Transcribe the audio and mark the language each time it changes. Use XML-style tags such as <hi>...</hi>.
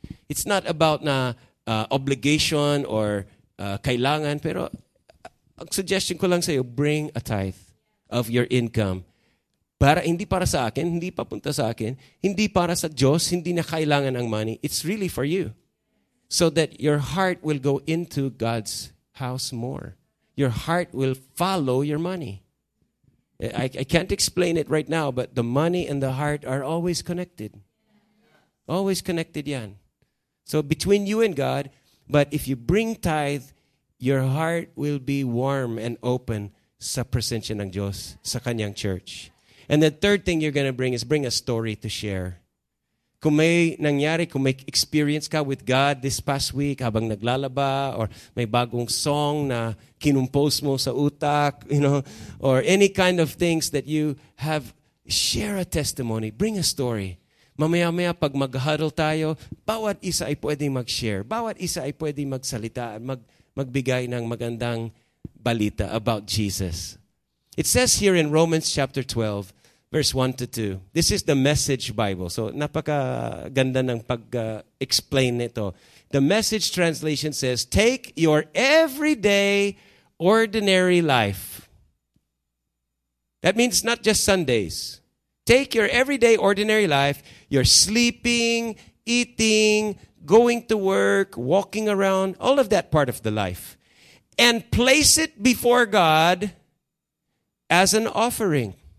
<en>It's not about na obligation or kailangan.</en> <tl>Pero ang suggestion ko lang sa iyo,</tl> <en>bring a tithe of your income.</en> <tl>Para hindi para sa akin, hindi papunta sa akin, hindi para sa Diyos, hindi na kailangan ang money.</tl> <en>It's really for you. So that your heart will go into God's house more. Your heart will follow your money. I can't explain it right now, but the money and the heart are always connected. Always connected yan. So between you and God, but if you bring tithe, your heart will be warm and open</en> <tl>sa presensya ng Diyos, sa kanyang church.</tl> <en>And the third thing you're gonna bring a story to share.</en> <tl>Kung may nangyari, kung may</tl> <en>experience ka with God this past week</en> <tl>habang naglalaba,</tl> <en>or</en> <tl>may bagong song na kinumpose mo sa utak,</tl> <en>you know, or any kind of things that you have, share a testimony, bring a story.</en> <tl>Mamaya-maya, pag mag-huddle tayo, bawat isa ay pwedeng mag-share. Bawat isa ay pwedeng magsalita at magbigay ng magandang balita</tl> <en>about Jesus. It says here in Romans chapter 12, verse 1 to 2. This is the Message Bible.</en> <tl>So, napaka-ganda ng pag-explain nito.</tl> <en>The Message translation says, take your everyday, ordinary life. That means not just Sundays. Take your everyday ordinary life, your sleeping, eating, going to work, walking around, all of that part of the life, and place it before God as an offering.</en>